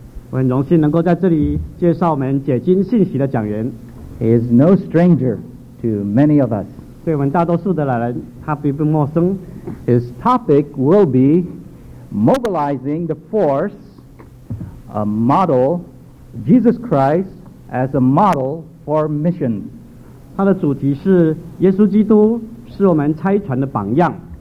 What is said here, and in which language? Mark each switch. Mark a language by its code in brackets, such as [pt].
[zh] 我很荣幸能够在这里介绍我们解经信息的讲员。 [en] He is no stranger to many of us. [zh] 对我们大多数的来人，他并不陌生。 [en] His topic will be mobilizing the force, a model, Jesus Christ as a model for mission. [zh] 他的主题是耶稣基督是我们差传的榜样。